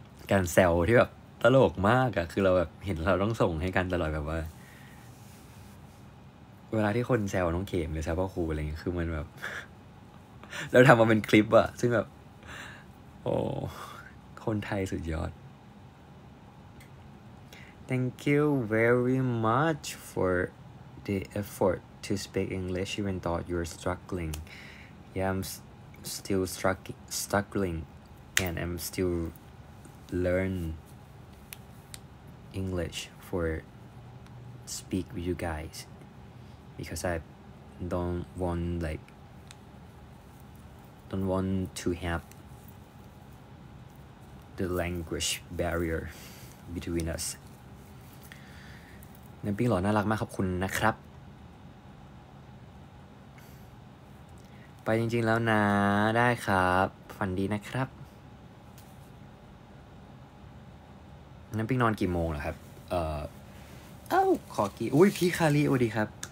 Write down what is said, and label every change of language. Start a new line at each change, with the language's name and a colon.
Thai: การแซวที่แบบตลกมากอะคือเราแบบเห็นเราต้องส่งให้กันตลอดแบบว่าเวลาที่คนแซวน้องเขมหรือแซวพ่อครูอะไรเงี้ยคือมันแบบแล้วทำมาเป็นคลิปอะซึ่งแบบโอ้คนไทยสุดยอด
English: Thank you very much for the effortTo speak English even though you're struggling. Yeah, I'm still struggling and I'm still learn English for speak with you guys because I don't want to have the language barrier between us.
Thai: น้ำปิ้งหล่อน่ารักมากขอบคุณนะครับไปจริงๆแล้วนะได้ครับฝันดีนะครับน้ำปิ้งนอนกี่โมงเหรอครับเอ้าขอกี่อุ้ยพี่คาริสวัสดีครับ